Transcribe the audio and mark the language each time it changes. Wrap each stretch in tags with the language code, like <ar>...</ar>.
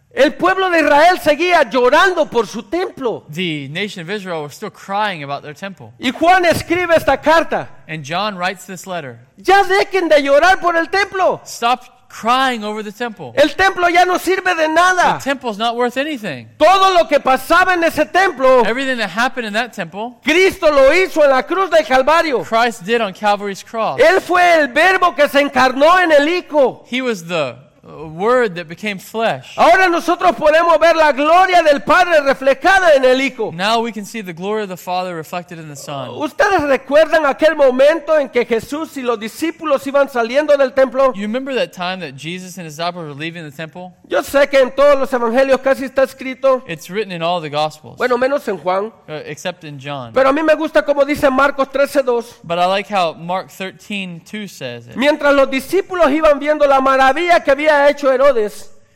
<es>El pueblo de Israel seguía llorando por su templo.</es> <en>The nation of Israel was still crying about their temple.</en> <es>Y Juan escribe esta carta.</es> <en>And John writes this letter.</en> <es>Ya dejen de llorar por el templo.</es> <en>Stop crying over the temple.</en> <es>El templo ya no sirve de nada.</es> <en>The temple is not worth anything.</en> <es>Todo lo que pasaba en ese templo,</es> <en>everything that happened in that temple,</en> <es>Cristo lo hizo en la cruz del Calvario.</es> <en>Christ did on Calvary's cross.</en> <es>Él fue el verbo que se encarnó en el Hijo.</es> <en>He was the word that became flesh.</en> <es>Ahora nosotros podemos ver la gloria del Padre reflejada en el Hijo.</es> <en>Now we can see the glory of the Father reflected in the Son.</en> <es>¿Ustedes recuerdan aquel momento en que Jesús y los discípulos iban saliendo del templo?</es> <en>You remember that time that Jesus and his disciples were leaving the temple?</en> <es>Yo sé que en todos los evangelios casi está escrito.</es> <en>It's written in all the gospels.</en> <es>Bueno, menos en Juan.</es> <en>Except in John.</en> <es>Pero a mí me gusta como dice Marcos 13:2.</es> <en>But I like how Mark 13:2 says it.</en> <es>Mientras los discípulos iban viendo la maravilla que había hecho Herodes.</es>